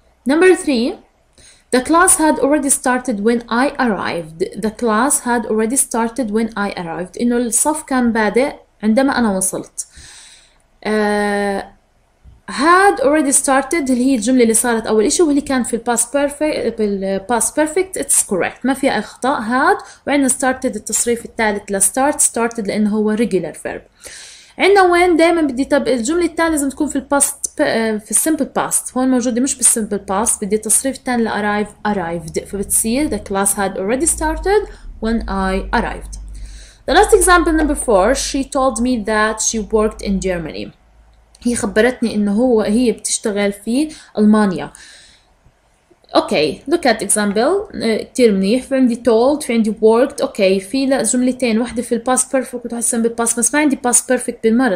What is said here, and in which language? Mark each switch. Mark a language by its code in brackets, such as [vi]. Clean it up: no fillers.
[en] Number three, the class had already started when I arrived. The class had already started when I arrived. [ar] إنه الصف كان بادئ عندما أنا وصلت. Had already started اللي هي الجملة اللي صارت أول إشي واللي كان في الباست بيرفكت [en] it's correct [ar] ما في أي خطأ had وعندنا started التصريف الثالث ل started لأنه هو regular verb عندنا وين دائما بدي طب الجملة الثانية لازم تكون في الباست في السيمبل باست هون موجودة مش بالسيمبل باست بدي تصريف ثاني ل arrived فبتصير [en] the class had already started when I arrived. The last example number four, she told me that she worked in Germany. [ar] هي خبرتني إنه هو هي بتشتغل في ألمانيا. [en] Okay, look at example. [ar] كتير منيح. في عندي told, في عندي worked. Okay, في جملتين. واحدة في past perfect وتحسن بالpast. بس ما عندي past perfect بالمرة.